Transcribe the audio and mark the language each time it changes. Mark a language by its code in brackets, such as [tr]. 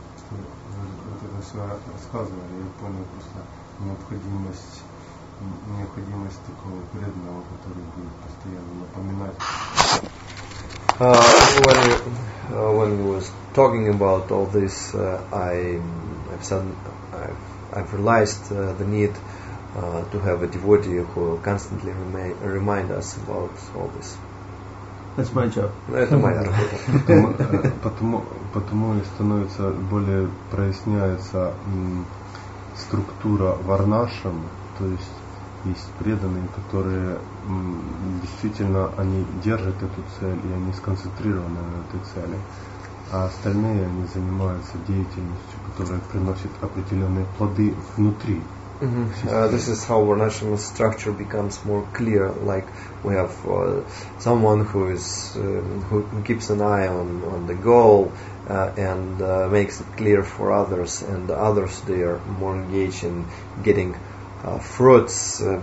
[ru] Когда вы рассказывали, я понял просто необходимость такого преданного, который будет постоянно напоминать. [en] When he was talking about all this, I've realized the need to have a devotee who will constantly remind us about all this. That's my job. [ru] Это моя работа. Потому и становится более проясняется структура варнашам, то есть преданные, которые действительно они держат эту цель и они сконцентрированы на этой цели, а остальные они занимаются деятельностью, которая приносит определенные плоды внутри. [en] This is how our national structure becomes more clear. Like we have someone who is who keeps an eye on the goal and makes it clear for others, and the others they are more engaged in getting fruits.